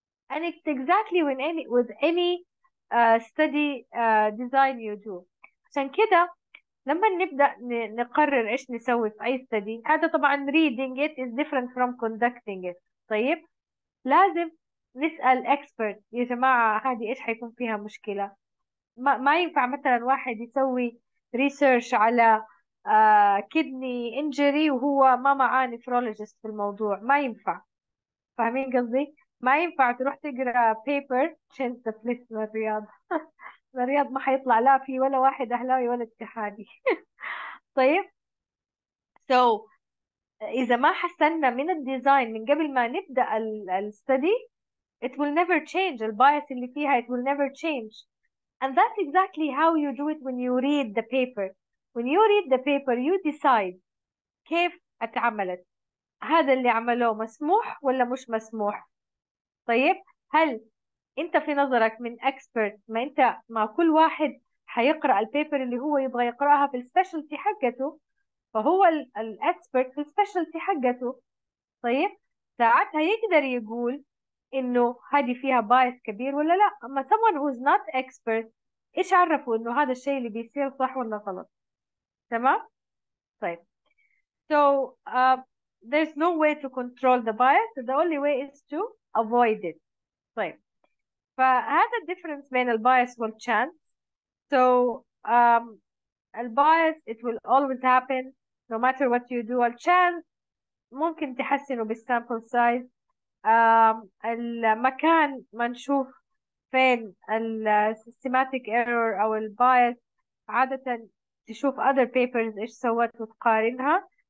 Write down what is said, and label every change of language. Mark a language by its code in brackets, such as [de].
[en] And it's exactly with any study design you do. [ar] عشان كده لما نبدأ نقرر إيش نسوي في أي study، هذا طبعا [en] reading it is different from conducting it. [ar] طيب لازم نسأل expert، يا جماعة هذه إيش حيكون فيها مشكلة؟ ما ينفع مثلا واحد يسوي research على kidney injury وهو ما معاه nephrologist في الموضوع، ما ينفع. فاهمين قصدي؟ ما ينفع تروح تقرا بيبر عشان تفلس من الرياض. من الرياض ما حيطلع لا في ولا واحد اهلاوي ولا اتحادي. طيب so اذا ما حسنا من الديزاين من قبل ما نبدا الستدي، [en] it will never change. [ar] البايس اللي فيها [en] it will never change. And that's exactly how you do it when you read the paper. When you read the paper you decide [ar] كيف اتعملت، هذا اللي عملوه مسموح ولا مش مسموح. طيب هل انت في نظرك من اكسبرت، ما انت مع كل واحد حيقرا البيبر اللي هو يبغى يقراها في السبيشالتي حقته، فهو الاكسبرت في السبيشالتي حقته. طيب ساعتها يقدر يقول انه هذه فيها بايس كبير ولا لا. اما [en] someone who's not expert [ar] ايش عرفه انه هذا الشيء اللي بيصير صح ولا غلط؟ تمام. [en] طيب so there's no way to control the bias, the only way is to avoid it. [ar] طيب فهذا difference بين البايس والchance. [en] So البايس it will always happen no matter what you do. [ar] الchance ممكن تحسنه بالsample size. المكان ما نشوف فين السيستماتيك error أو البايس، عادة تشوف other papers إيش سوت وتقارنها.